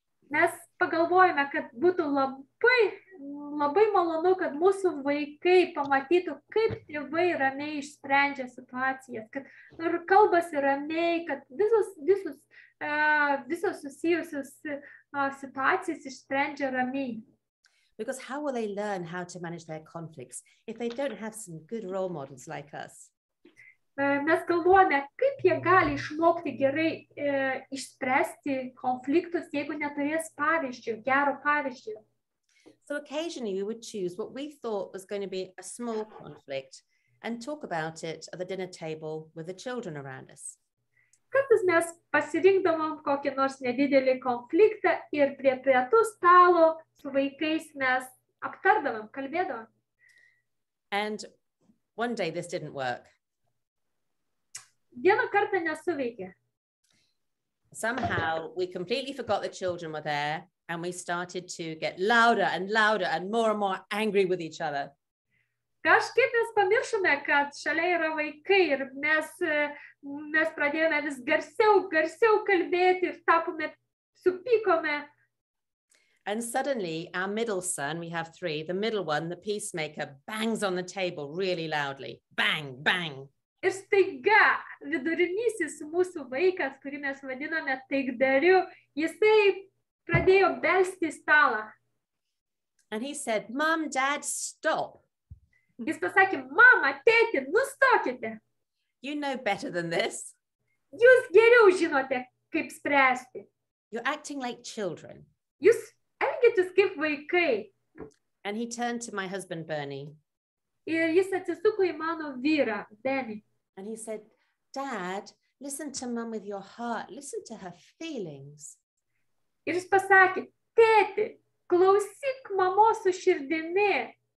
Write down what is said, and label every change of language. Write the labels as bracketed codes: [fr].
[lt] Mes pagalvojame, kad būtų labai, labai malonu, kad mūsų vaikai pamatytų, kaip tėvai ramiai išsprendžia situacijas, kad ir kalbasi ramiai, kad visos susijusios situacijas išsprendžia ramiai. [en] Because how will they learn how to manage their conflicts if they don't have some good role models like us? [lt] Mes galvojame, kaip jie gali išmokti gerai išspręsti konfliktus, jeigu neturės pavyzdžio, gero pavyzdžio. [en] So occasionally we would choose what we thought was going to be a small conflict and talk about it at the dinner table with the children around us. [lt] Kartais mes pasirinkdavom kokį nors nedidelį konfliktą ir prie pietų stalo su vaikais mes aptardavom, kalbėdavom. [en] And one day this didn't work. [lt] Vieną kartą nesuveikė. [en] Somehow we completely forgot the children were there and we started to get louder and louder and more angry with each other. [lt] Kažkaip mes pamiršome, kad šalia yra vaikai ir mes pradėjome vis garsiau kalbėti ir tapome, supykome. [en] And suddenly our middle son, we have three, the middle one, the peacemaker, bangs on the table really loudly. Bang, bang. [lt] Ir staiga vidurinysis mūsų vaikas, kurį mes vadiname taikdariu, jisai pradėjo belsti stalą. [en] And he said, Mom, Dad, stop. [lt] Jis pasakė, mama, tėti, nustokite. [en] You know better than this. [lt] Jūs geriau žinote, kaip spręsti. [en] You're acting like children. [lt] Jūs elgėtis kaip vaikai. [en] And he turned to my husband, Bernie. [lt] Ir jis atsisuko į mano vyrą, Benny. [en] And he said, Dad, listen to mom with your heart. Listen to her feelings. [lt] Ir jis pasakė, tėti, klausyk mamos su širdimi.